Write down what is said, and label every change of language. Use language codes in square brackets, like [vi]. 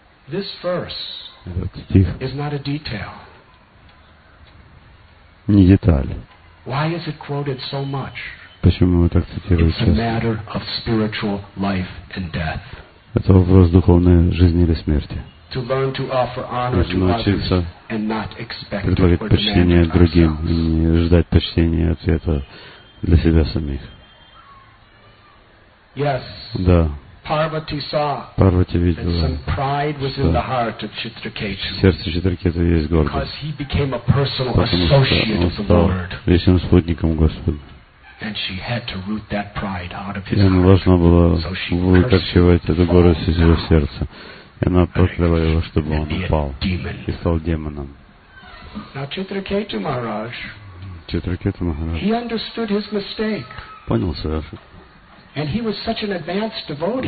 [en] This verse is not a detail. [ru] Не деталь. [en] Why is it quoted so much? [ru] Почему мы так цитируем сейчас? [en] It's a matter of spiritual life and death. [ru] Это вопрос духовной жизни или смерти. [en] To learn to offer honor to others and not expect or demand it ourselves. [ru] Другим, и не ждать почтения ответа для себя самих. [en] Yes. [ru] Да. [en] Parvati saw [ru] Parvati видела, [en] that some pride was in the heart of Chitraketu. [ru] В сердце Читракету есть гордость. [en] Because he became a personal associate of the Lord. [ru] Личным спутником Господа. [en] And she had to root that pride out of his heart. [ru] И она должна была выкорчевать эту гордость из его сердца. И она прокляла его, чтобы он упал и стал демоном. Читракету Махарадж. [en] He understood his mistake. [ru] Понял свою ошибку. [en] And he was such an advanced devotee.